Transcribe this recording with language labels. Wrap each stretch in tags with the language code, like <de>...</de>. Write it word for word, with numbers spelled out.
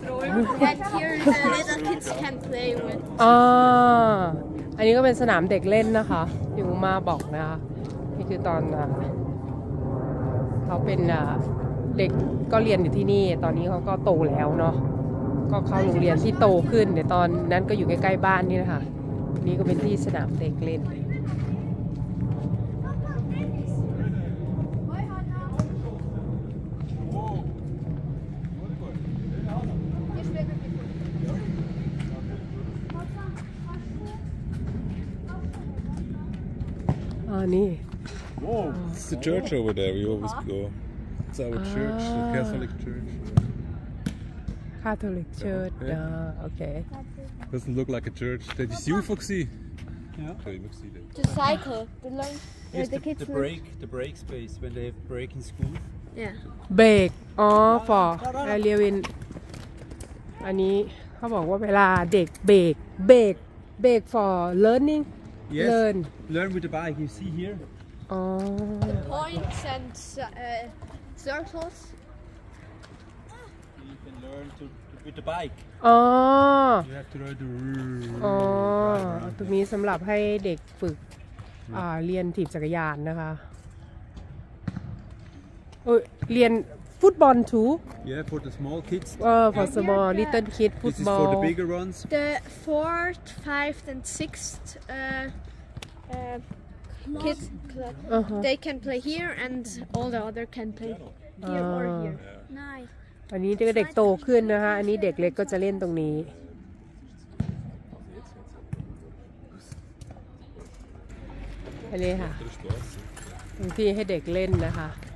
<en>who- and here uh, little kids can play with.</en> <th>อ่าอันนี้ก็เป็นสนามเด็กเล่นนะคะที่อุมาบอกนะคะนี่คือตอนอ่า เขาเป็นอ่าเด็กก็เรียนอยู่ที่นี่ ตอนนี้เขาก็โตแล้วเนาะก็เข้าโรงเรียนที่โตขึ้นเดี๋ยวตอนนั้นก็อยู่ใกล้ๆบ้านนี่นะคะนี่ก็เป็นที่สนามเด็กเล่น อ่านี่</th> <en>Wow, it's the church over there. We always go. It's our church, the Catholic church.</en> <th>คาทอลิกเชิร์ชอ่าโอเค</th> <en>Doesn't look like a church. That is you, Foxy. Yeah. Okay, you see that. To cycle, to learn. Uh, Here's the the, kids the learn- break, the break space when they have break in school. Yeah.</en> <th>เบรกอ๋อฟอไอเรียวิน อันนี้เขาบอกว่าเวลาเด็กเบรกเบรกเบรก</th> <en>for learning Yes. learn Learn with the bike. You see here. อ๋อ Points and uh, circles. You can learn to, to with the bike. อ๋อ You have to learn to.</en> <th>อ๋อตรงนี้สำหรับให้เด็กฝึกอ่าเรียนถีบจักรยานนะคะเอ้ยเรียนฟุตบอลทู</th> <en>Yeah, for the small kids. เออ for small little kid This is for the football bigger ones. The fourth, fifth, and sixth uh, uh, kids club. อ่าฮะ They can play here, and all the other can play here or here. Nice.</en> <th>อันนี้เด็กๆโตขึ้นนะคะ อันนี้เด็กเล็กก็จะเล่นตรงนี้ อันนี้ค่ะ</th> <de>Spaß.</de> <th>เป็นที่ให้เด็กเล่นนะคะ</th>